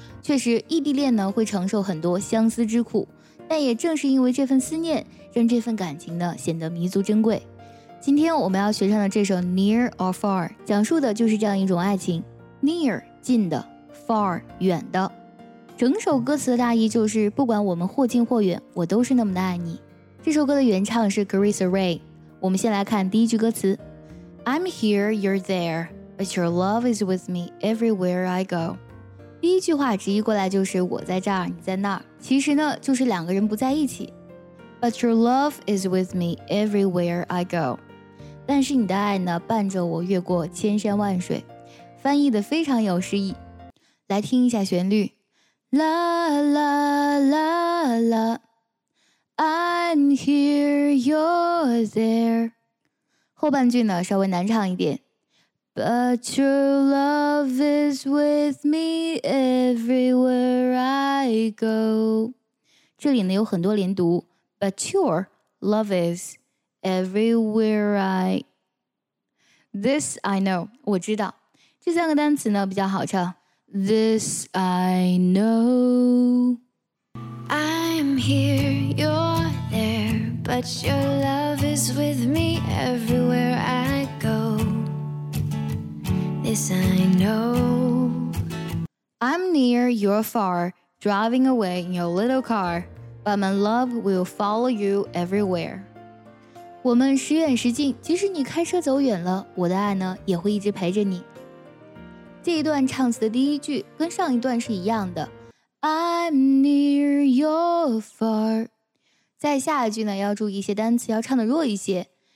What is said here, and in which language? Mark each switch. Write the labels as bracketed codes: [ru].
[zh] 确实异地恋呢会承受很多相思之苦，但也正是因为这份思念，让这份感情呢显得弥足珍贵。今天我们要学唱的这首 Near or Far 讲述的就是这样一种爱情， Near 近的， Far 远的。整首歌词的大意就是，不管我们或近或远，我都是那么的爱你。这首歌的原唱是 Grace Ray。我们先来看第一句歌词， [en] I'm here, you're there, but your love is with me everywhere I go。第一句话直译过来就是，我在这儿，你在那儿，其实呢就是两个人不在一起。 But your love is with me everywhere I go。 [zh] 但是你的爱呢伴着我越过千山万水，翻译的非常有诗意。来听一下旋律， [en] La la la la, I'm here, you're there。 [zh] 后半句呢稍微难唱一点， [en] But your love is with me everywhere I go。 [zh] 这里呢有很多连读， [en] But your love is everywhere I... This I know, [zh] 我知道。这三个单词呢比较好唱。 [en] This I know. I'm here, you're there, but your love is with me everywhere I go. This I know. I'm near, you're far, driving away in your little car. But my love will follow you everywhere. [zh] 我们时远时近，即使你开车走远了，我的爱呢也会一直陪着你。这一段唱词的第一句跟上一段是一样的， [en] I'm near, you're far. [zh] 在下一句呢要注意一些单词要唱的弱一些，